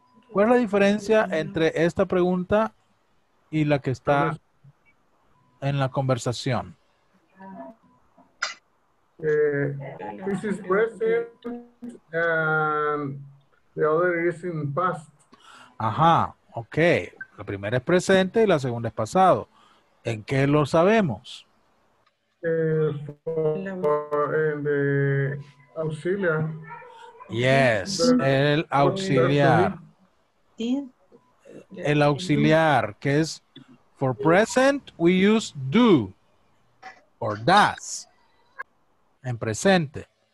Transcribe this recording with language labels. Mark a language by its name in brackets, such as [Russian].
[Spanish] ¿Cuál es la diferencia entre esta pregunta y la que está en la conversación? [English] This is present and the other is in past. [Spanish] Ajá, ok. La primera es presente y la segunda es pasado. ¿En qué lo sabemos? En el auxiliar. [English] Yes, [Spanish] el auxiliar. El auxiliar, que es [English] for present, we use do or does. [Spanish] En presente.